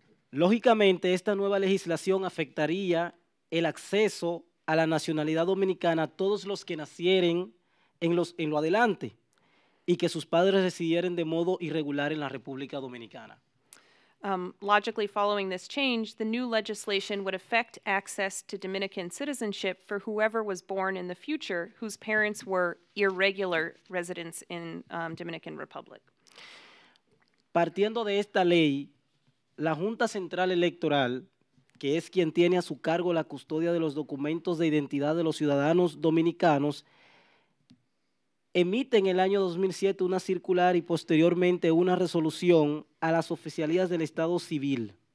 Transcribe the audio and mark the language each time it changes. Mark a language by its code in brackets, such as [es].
[es] Lógicamente, esta nueva legislación afectaría el acceso a la nacionalidad dominicana a todos los que nacieren en lo adelante y que sus padres residieran de modo irregular en la República Dominicana. [en] Logically following this change, the new legislation would affect access to Dominican citizenship for whoever was born in the future whose parents were irregular residents in Dominican Republic. [es] Partiendo de esta ley, la Junta Central Electoral, que es quien tiene a su cargo la custodia de los documentos de identidad de los ciudadanos dominicanos, emite en el año 2007 una circular y posteriormente una resolución a las oficialías del Estado civil.